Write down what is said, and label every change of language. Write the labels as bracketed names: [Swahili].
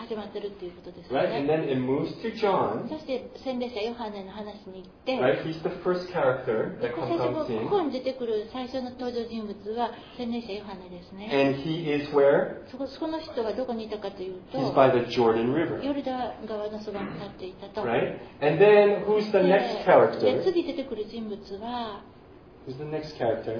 [English] Right, and then it moves to John. [Japanese] そして洗礼者ヨハネの話に行って。 [English] Right, he's the first character that comes in. [Japanese] 最初にここに出てくる最初の登場人物は洗礼者ヨハネですね。 [English] And he is where? [Japanese] その人がどこにいたかというと。 [English] He's by the Jordan River. [Japanese] ヨルダン川のそばに立っていたと。 [English] Right, and then who's the next character? [Japanese] で次出てくる人物は。 [English] Who's the next character?